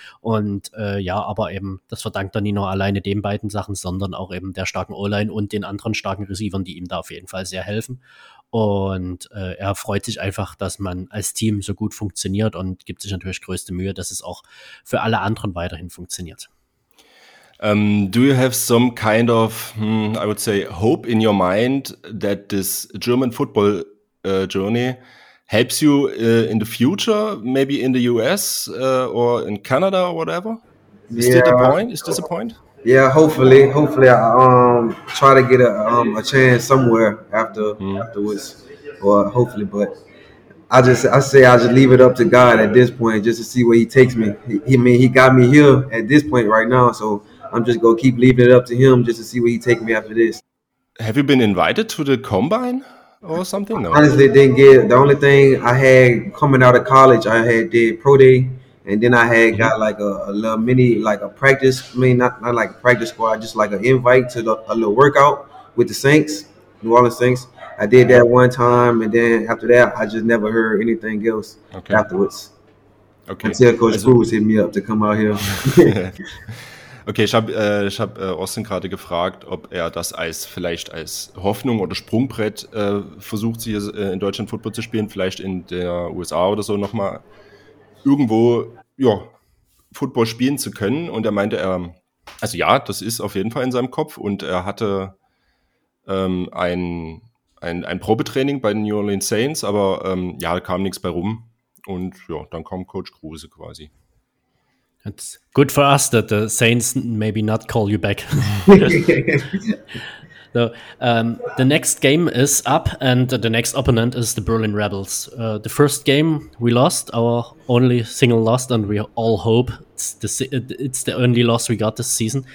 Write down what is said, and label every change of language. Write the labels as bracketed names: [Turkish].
[German] Und aber eben, das verdankt er nicht nur alleine den beiden Sachen, sondern auch eben der starken O-Line und den anderen starken Receivern, die ihm da auf jeden Fall sehr helfen. Und er freut sich einfach, dass man als Team so gut funktioniert, und gibt sich natürlich größte Mühe, dass es auch für alle anderen weiterhin funktioniert. [English] Do you have some kind of, I would say, hope in your mind that this German football journey helps you in the future, maybe in the US or in Canada or whatever? Is that a point? Is this a point? Yeah, hopefully I try to get a chance somewhere afterwards, or hopefully, but I just leave it up to God at this point, just to see where he takes me. He got me here at this point right now, so I'm just going to keep leaving it up to him just to see where he takes me after this. Have you been invited to the combine or something? No. Honestly, didn't get, the only thing I had coming out of college, I had did pro day. And then I had got like a little mini, like a practice, I mean, not like a practice squad, just like an invite to a little workout with the Saints, New Orleans Saints. I did that one time, and then after that, I just never heard anything else afterwards. Okay. Until Coach Cruz hit me up to come out here. [German] Okay, ich hab Austin gerade gefragt, ob er das als vielleicht als Hoffnung oder Sprungbrett versucht, hier in Deutschland Football zu spielen, vielleicht in der USA oder so nochmal irgendwo, ja, Football spielen zu können. Und er meinte, er, also ja, das ist auf jeden Fall in seinem Kopf. Und er hatte ein Probetraining bei den New Orleans Saints, aber kam nichts bei rum. Und ja, dann kam Coach Kruse quasi. [English] It's good for us that the Saints maybe not call you back. So the next game is up, and the next opponent is the Berlin Rebels. The first game we lost, our only single loss, and we all hope it's the only loss we got this season.